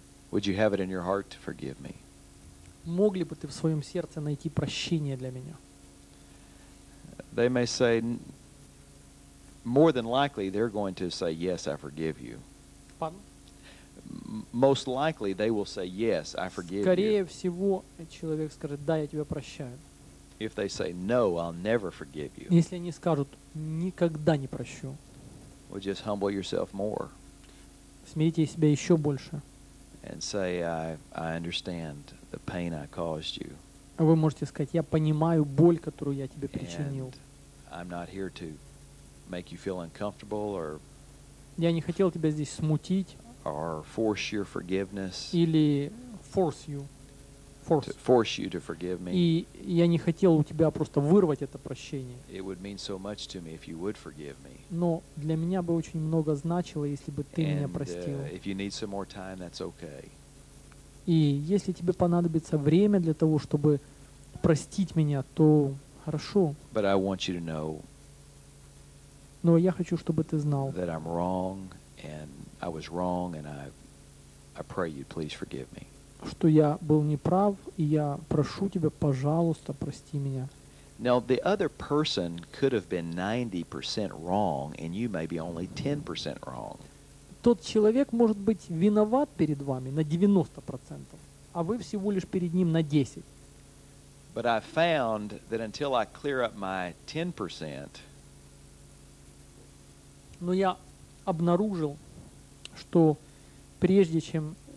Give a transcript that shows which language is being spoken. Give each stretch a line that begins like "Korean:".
English: Would you have it in your heart to forgive me?
Russian: Мог ли бы ты в своем сердце найти прощение для меня?
English: They may say, more than likely, they're going to say, yes, I forgive you. Pardon? Most likely, they will say, yes, I forgive
Russian: Скорее
English: you.
Russian: Скорее всего, человек скажет: да, я тебя прощаю.
English: If they say, no, I'll never forgive you.
Russian: Если они скажут: никогда не прощу.
English: Well, just humble yourself more.
Russian: Смирите себя еще больше.
English: And say, I understand the pain I caused you.
Russian: Вы можете сказать: я понимаю боль, которую я тебе причинил.
English: And I'm not here to make you feel uncomfortable or.
Russian: Я не хотел тебя здесь смутить.
English: Or force your forgiveness.
Russian: Или
English: force you. Force you to forgive me.
Russian: И я не хотел у тебя просто вырвать это прощение.
English: It would mean so much to me if you would forgive me.
Russian: Но для меня бы очень много значило, если бы ты меня простил.
English: If you need some more time, that's okay.
Russian: И если тебе понадобится время для того, чтобы простить меня, то хорошо.
English: But I want you to know.
Russian: Но я хочу, чтобы ты знал.
English: That I'm wrong and I was wrong and I pray you please forgive me.
Russian: Что я был неправ, и я прошу тебя, пожалуйста, прости меня.
English: Now, the other person could have been 90% wrong, and you may be only 10% wrong.
Russian: Тот человек может быть виноват перед вами на 90%, а вы всего лишь перед ним на 10%.
English: But I found that until I clear up my 10%,
Russian: но я обнаружил, что прежде чем